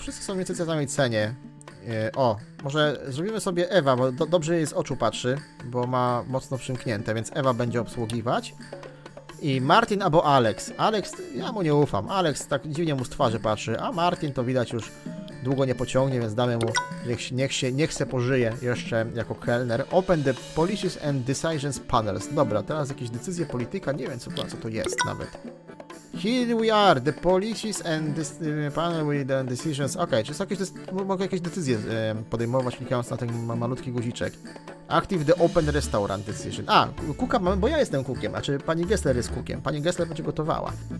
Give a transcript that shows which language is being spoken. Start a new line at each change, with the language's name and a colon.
Polish: Wszyscy są mniej więcej w samej cenie. Może zrobimy sobie Ewa, bo dobrze jej z oczu patrzy, bo ma mocno przymknięte, więc Ewa będzie obsługiwać. I Martin albo Alex. Alex, ja mu nie ufam. Alex tak dziwnie mu z twarzy patrzy, a Martin to widać już długo nie pociągnie, więc damy mu, niech se pożyje jeszcze jako kelner.
English: Open the policies and decisions panels.
Polish: Dobra, teraz jakieś decyzje polityka, nie wiem co to jest nawet.
English: Here we are, the policies and this panel with the decisions.
Polish: Okej, okay, czy są jakieś, mogę jakieś decyzje podejmować, klikając na ten malutki guziczek.
English: Active the open restaurant decision.
Polish: A, kuka mamy, bo ja jestem kukiem, a czy pani Gessler jest kukiem? Pani Gessler będzie gotowała.